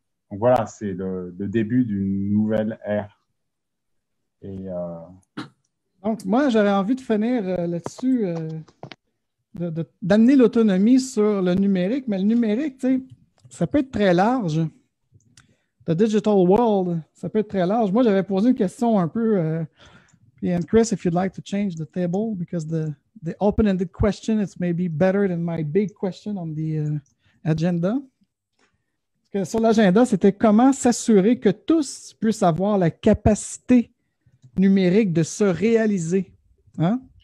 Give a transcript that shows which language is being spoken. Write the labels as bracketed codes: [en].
[fr] Donc voilà, c'est le début d'une nouvelle ère. Et, Donc, moi, j'avais envie de finir là-dessus. D'amener l'autonomie sur le numérique, mais le numérique, tu sais, ça peut être très large. [en] The digital world, [fr] ça peut être très large. Moi, j'avais posé une question un peu, [en] and Chris, if you'd like to change the table, because the open-ended question is maybe better than my big question on the agenda. [fr] Parce que sur l'agenda, c'était comment s'assurer que tous puissent avoir la capacité numérique de se réaliser, hein?